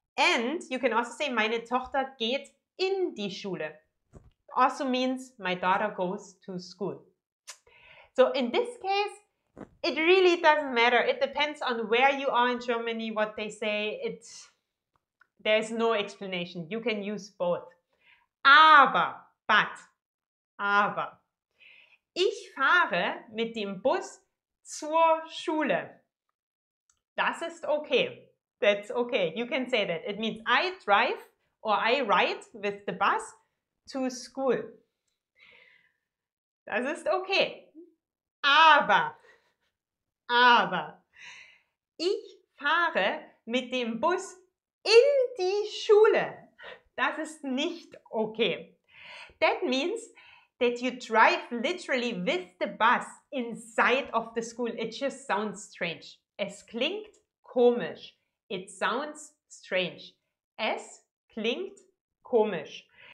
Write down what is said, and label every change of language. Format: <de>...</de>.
<en>And you can also say,</en> <de>meine Tochter geht in die Schule.</de> <en>Also means, my daughter goes to school. So in this case, it really doesn't matter. It depends on where you are in Germany, what they say. There's no explanation. You can use both.</en> <de>Aber, ich fahre mit dem Bus zur Schule. Das ist okay.</de> <en>That's okay. You can say that. It means I drive or I ride with the bus to school.</en> <de>Das ist okay. Aber, ich fahre mit dem Bus in die Schule. Das ist nicht okay.</de> <en>That means that you drive literally with the bus inside of the school. It just sounds strange.</en> <de>Es klingt komisch.</de> <en>It sounds strange.</en> <de>Es klingt komisch.</de>